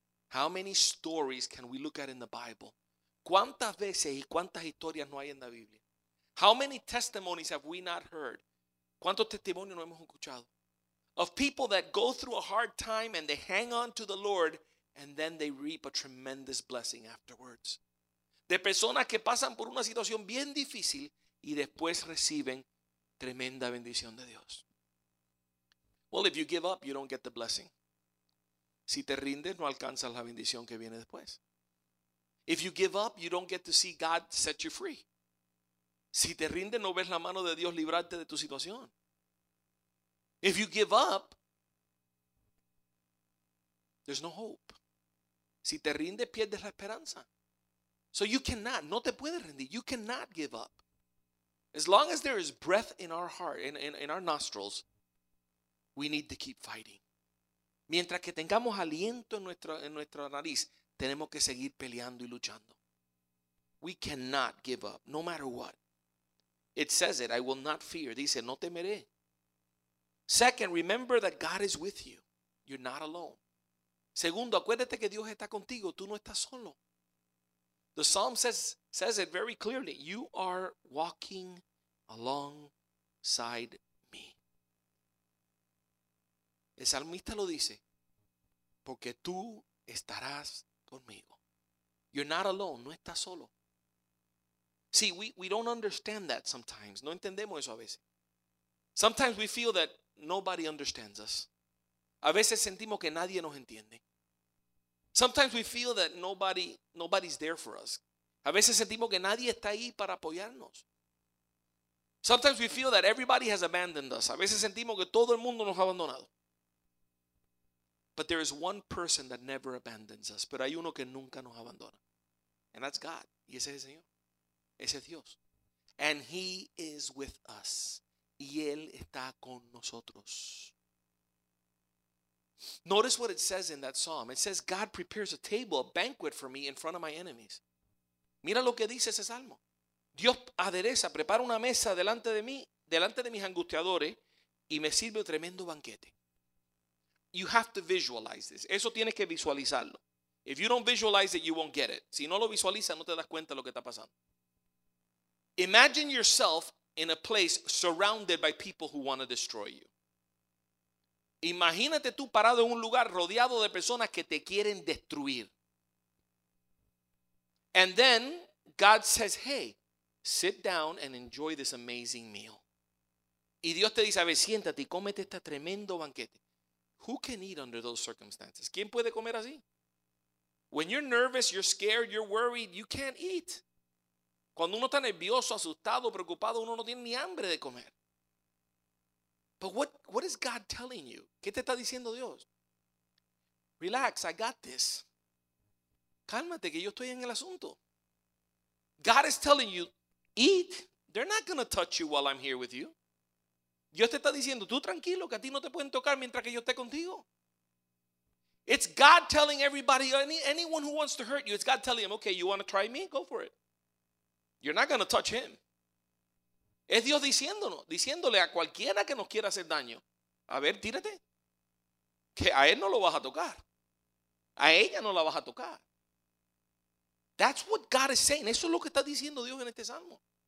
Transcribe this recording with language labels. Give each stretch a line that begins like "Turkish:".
English: How many stories can we look at in the Bible?
Spanish: ¿Cuántas veces y cuántas historias no hay en la Biblia?
English: How many testimonies have we not heard?
Spanish: ¿Cuántos testimonios no hemos escuchado?
English: Of people that go through a hard time and they hang on to the Lord and then they reap a tremendous blessing afterwards.
Spanish: De personas que pasan por una situación bien difícil y después reciben tremenda bendición de Dios.
English: Well, if you give up, you don't get the blessing.
Spanish: Si te rindes, no alcanzas la bendición que viene después.
English: If you give up, you don't get to see God set you free.
Spanish: Si te rindes, no ves la mano de Dios librarte de tu situación.
English: If you give up, there's no hope.
Spanish: Si te rindes, pierdes la esperanza.
English: So you cannot,
Spanish: no te puedes rendir.
English: You cannot give up. As long as there is breath in our heart, in our nostrils, we need to keep fighting.
Spanish: Mientras que tengamos aliento en nuestra nariz, tenemos que seguir peleando y luchando.
English: We cannot give up, no matter what. It says it, I will not fear.
Spanish: Dice, no temeré.
English: Second, remember that God is with you. You're not alone.
Spanish: Segundo, acuérdate que Dios está contigo. Tú no estás solo.
English: The psalm says it very clearly. You are walking alongside me.
Spanish: El salmista lo dice. Porque tú estarás conmigo.
English: You're not alone.
Spanish: No estás solo.
English: See, we don't understand that sometimes.
Spanish: No entendemos eso a veces.
English: Sometimes we feel that nobody understands us.
Spanish: A veces sentimos que nadie nos entiende.
English: Sometimes we feel that nobody's there for us.
Spanish: A veces sentimos que nadie está ahí para apoyarnos.
English: Sometimes we feel that everybody has abandoned us.
Spanish: A veces sentimos que todo el mundo nos ha abandonado.
English: But there is one person that never abandons us.
Spanish: Pero hay uno que nunca nos abandona.
English: And that's God.
Spanish: Y ese es el Señor. Ese es Dios.
English: And he is with us.
Spanish: Y él está con nosotros.
English: Notice what it says in that psalm. It says, God prepares a table, a banquet for me in front of my enemies.
Spanish: Mira lo que dice ese salmo. Dios adereza, prepara una mesa delante de mí, delante de mis angustiadores, y me sirve un tremendo banquete.
English: You have to visualize this.
Spanish: Eso tienes que visualizarlo.
English: If you don't visualize it, you won't get it.
Spanish: Si no lo visualizas, no te das cuenta de lo que está pasando.
English: Imagine yourself in a place surrounded by people who want to destroy you.
Spanish: Imagínate tú parado en un lugar rodeado de personas que te quieren destruir.
English: And then God says, hey, sit down and enjoy this amazing meal.
Spanish: Y Dios te dice, a ver, siéntate y cómete este tremendo banquete.
English: Who can eat under those circumstances?
Spanish: ¿Quién puede comer así?
English: When you're nervous, you're scared, you're worried, you can't eat.
Spanish: Cuando uno está nervioso, asustado, preocupado, uno no tiene ni hambre de comer.
English: But what is God telling you?
Spanish: ¿Qué te está diciendo Dios?
English: Relax, I got this.
Spanish: Cálmate, que yo estoy en el asunto.
English: God is telling you, eat. They're not going to touch you while I'm here with you.
Spanish: Dios te está diciendo, tú tranquilo, que a ti no te pueden tocar mientras que yo esté contigo.
English: It's God telling everybody, anyone who wants to hurt you, it's God telling him, okay, you want to try me? Go for it. You're not going to touch him.
Spanish: Es Dios diciéndole a cualquiera que nos quiera hacer daño, a ver, tírate, que a él no lo vas a tocar. A ella no la vas a tocar.
English: That's what God is saying.
Spanish: Eso es lo que está diciendo Dios en este salmo.